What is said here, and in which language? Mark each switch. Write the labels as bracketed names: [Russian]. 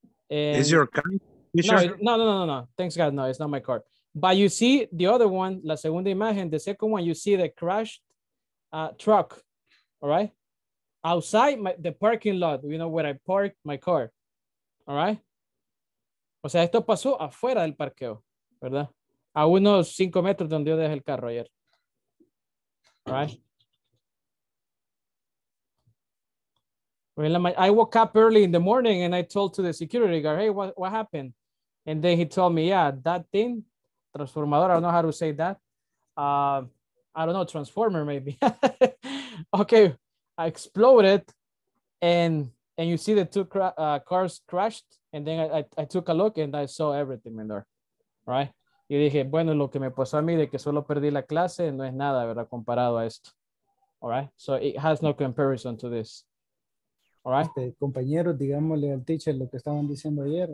[English] And is your car? No. Thanks God. No, it's not my car. But you see the other one, [Spanish] la segunda imagen, [English] the second one, you see the crashed truck, all right? Outside the parking lot, you know, where I park my car, all right? [Spanish] O sea, esto pasó afuera del parqueo, ¿verdad? A unos 5 metros donde yo dejé el carro ayer, [English] all right? Well, I woke up early in the morning and I told to the security guard, hey, what happened? And then he told me, yeah, that thing, transformador, I don't know how to say that. I don't know, transformer maybe. Okay, I exploded and you see the two cars crashed. And then I took a look and I saw everything in there, right? [Spanish] Y dije, bueno, lo que me pasó a mí de que solo perdí la clase no es nada, ¿verdad? Comparado a esto, [English] all right? So it has no comparison to this. All right. [Spanish] Compañeros, digámosle al teacher lo que estaban diciendo ayer.